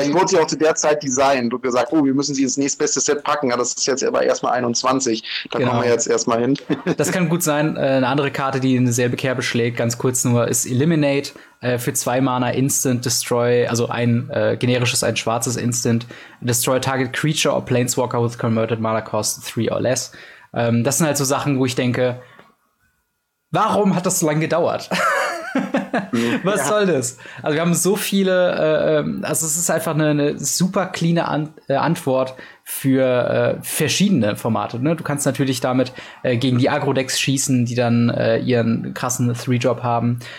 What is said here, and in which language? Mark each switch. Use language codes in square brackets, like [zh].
[de] Vielleicht wurde sie auch zu der Zeit designt und gesagt, oh, wir müssen sie ins nächstbeste Set packen, aber das ist jetzt aber erstmal 21, da genau, kommen wir jetzt erstmal hin. Das kann gut sein, eine andere Karte, die in dieselbe Kerbe schlägt, ganz kurz nur, ist Eliminate für 2 Mana Instant Destroy, also ein generisches, ein schwarzes Instant. [en] Destroy Target Creature or Planeswalker with Converted Mana Cost 3 or less. [de] Das sind halt so Sachen, wo ich denke, warum hat das so lange gedauert? Was ja, soll das? Also wir haben so viele, also es ist einfach eine super cleane Antwort für verschiedene Formate. Ne? Du kannst natürlich damit gegen die Agro-Decks schießen, die dann ihren krassen 3-Drop haben.